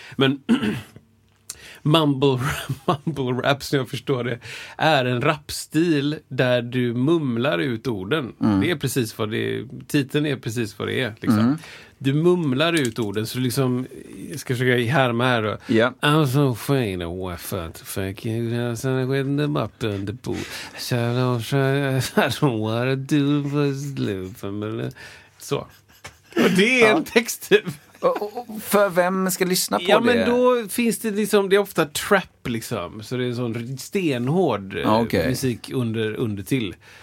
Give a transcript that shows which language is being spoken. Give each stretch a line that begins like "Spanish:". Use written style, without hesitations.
Swedish: Men mumble rap, som jag förstår det, är en rapstil där du mumlar ut orden. Mm. Det är precis vad det är, titeln är precis vad det är. Liksom. Mm. Du mumlar ut orden, så liksom, jag ska försöka härma här då.
English: Yeah. I'm so fine, oh, I felt fucking, I'm so fine, I'm up in the pool. So I don't wanna do this, live.
Swedish: Så. Och det är en text typ. För vem ska lyssna på det? Ja, men då finns det liksom, det är ofta trap liksom. Så det är en sån stenhård musik under till.